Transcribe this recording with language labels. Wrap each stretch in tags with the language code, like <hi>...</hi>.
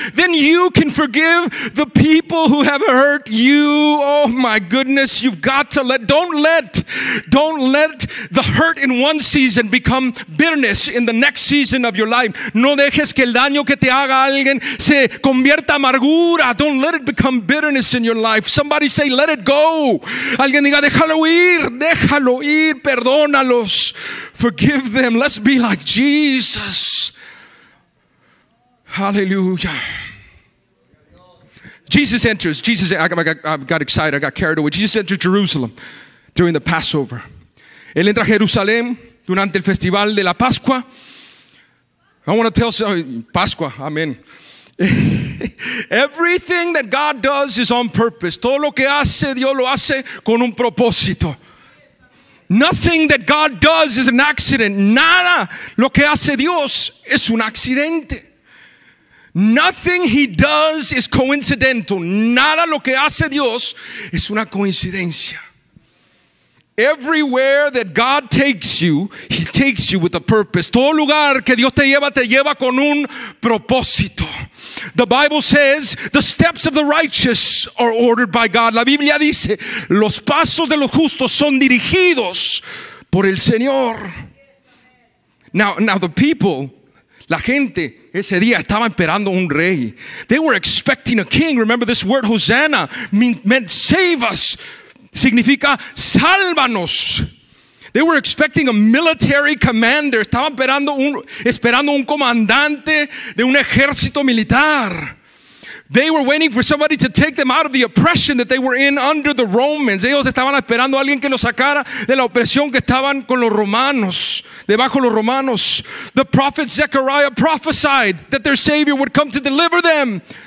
<en>Then you can forgive the people who have hurt you. Oh my goodness. You've got to let. Don't let the hurt in one season become bitterness in the next season of your life.</en> <es>No dejes que el daño que te haga alguien se convierta amargura.</es> <en>Don't let it become bitterness in your life. Somebody say, let it go.</en> <es>Alguien diga, déjalo ir. Déjalo ir. Perdónalos.</es> <en>Forgive them. Let's be like Jesus. Hallelujah. Jesus enters. I got carried away. Jesus entered Jerusalem during the Passover.</en> <es>Él entra a Jerusalén durante el festival de la Pascua.</es> <en>I want to tell somebody, Pascua, amen. Everything that God does is on purpose.</en> <es>Todo lo que hace, Dios lo hace con un propósito.</es> <en>Nothing that God does is an accident.</en> <es>Nada lo que hace Dios es un accidente.</es> <en>Nothing he does is coincidental.</en> <es>Nada lo que hace Dios es una coincidencia.</es> <en>Everywhere that God takes you, he takes you with a purpose.</en> <es>Todo lugar que Dios te lleva con un propósito.</es> <en>The Bible says, the steps of the righteous are ordered by God.</en> <es>La Biblia dice, los pasos de los justos son dirigidos por el Señor.</es> <en>Now the people,</en> <es>la gente, ese día estaba esperando un rey.</es> <en>They were expecting a king. Remember this word, Hosanna, meant save us.</en> <es>Significa sálvanos.</es> <en>They were expecting a military commander.</en> <es>Estaban esperando un comandante de un ejército militar.</es> <en>They were waiting for somebody to take them out of the oppression that they were in under the Romans.</en> <es>Ellos estaban esperando a alguien que los sacara de la opresión que estaban con los romanos, debajo de los romanos.</es> <en>The prophet Zechariah prophesied that their savior would come to deliver them.</en>